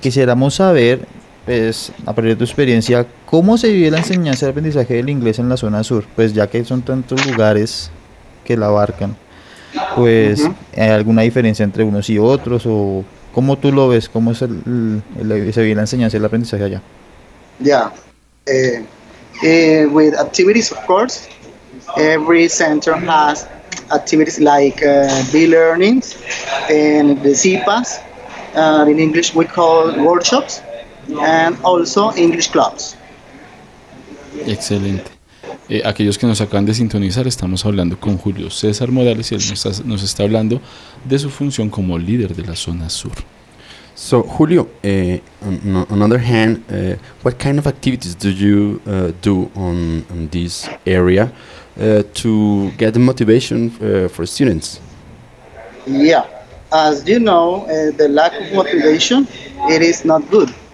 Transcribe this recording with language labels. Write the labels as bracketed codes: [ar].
[es] Quisiéramos saber, pues, a partir de tu experiencia, ¿cómo se vive la enseñanza y el aprendizaje del inglés en la zona sur? Pues ya que son tantos lugares que la abarcan, pues, uh-huh. ¿Hay alguna diferencia entre unos y otros? ¿O cómo tú lo ves? ¿Cómo es se vive la enseñanza y el aprendizaje allá? [en] Yeah. With activities, of course, every center has activities like e-learnings and the CIPAs. In English, we call workshops. And also English clubs. [es] Excelente. Aquellos que nos acaban de sintonizar, estamos hablando con Julio César Morales y él nos está hablando de su función como líder de la zona sur. [en] So, Julio, on another hand, what kind of activities do you do on this area to get the motivation for students? Yeah, as you know, the lack of motivation, it is not good.